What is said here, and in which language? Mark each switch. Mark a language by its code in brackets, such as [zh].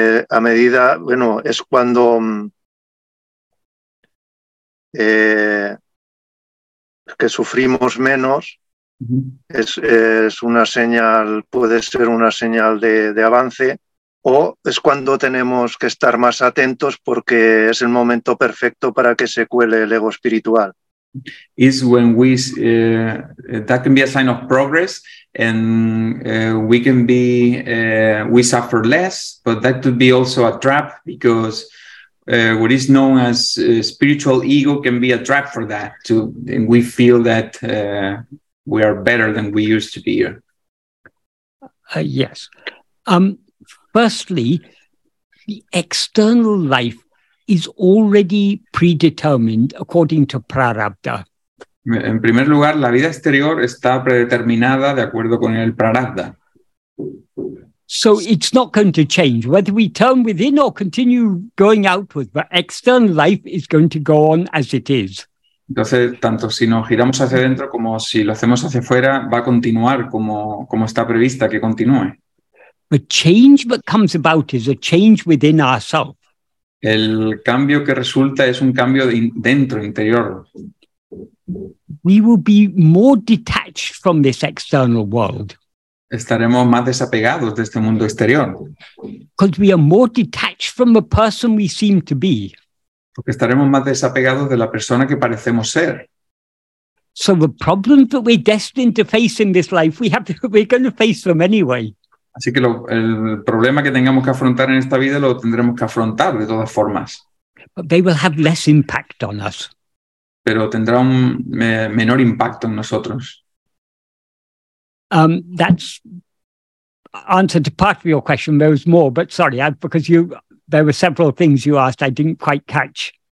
[es] A medida, bueno, es cuando que sufrimos menos, uh-huh. es una señal, puede ser una señal de avance, o es cuando tenemos que estar más atentos porque es el momento perfecto para que se cuele el ego espiritual. [en] Is when we that can be a sign of progress, and we can be we suffer less, but that could be also a trap, because what is known as spiritual ego can be a trap for that too, and we feel that we are better than we used to be. Yes. Firstly, the external life is already predetermined according to Prarabdha. [es] En primer lugar, la vida exterior está predeterminada de acuerdo con el Prarabdha. [en] So it's not going to change. Whether we turn within or continue going outward, the external life is going to go on as it is. [es] Entonces, tanto si nos giramos hacia adentro como si lo hacemos hacia afuera, va a continuar como está prevista que continúe. [en] The change that comes about is a change within ourselves. [es] El cambio que resulta es un cambio dentro, interior. [en] we will be more detached from this external world. [es] Estaremos más desapegados de este mundo exterior. [en] Because we are more detached from the person we seem to be. [es] Porque estaremos más desapegados de la persona que parecemos ser. [en] So the problems that we're destined to face in this life, we're going to face them anyway. [es] Así que el problema que tengamos que afrontar en esta vida lo tendremos que afrontar de todas formas. [en] But they will have less impact on us. [es] Pero tendrá un menor impacto en nosotros. [en] That's answer to part of your question. There was more, but sorry, because there were several things you asked I didn't quite catch.